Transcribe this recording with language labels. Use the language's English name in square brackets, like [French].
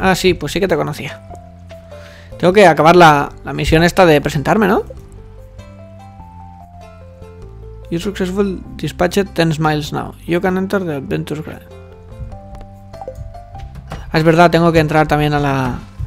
[Spanish] Ah, sí, pues sí que te conocía. Tengo que acabar la misión esta de presentarme, ¿no? [English] You successful dispatched 10 miles now. You can enter the adventure grid. [Spanish] Ah, es verdad, tengo que entrar también a la...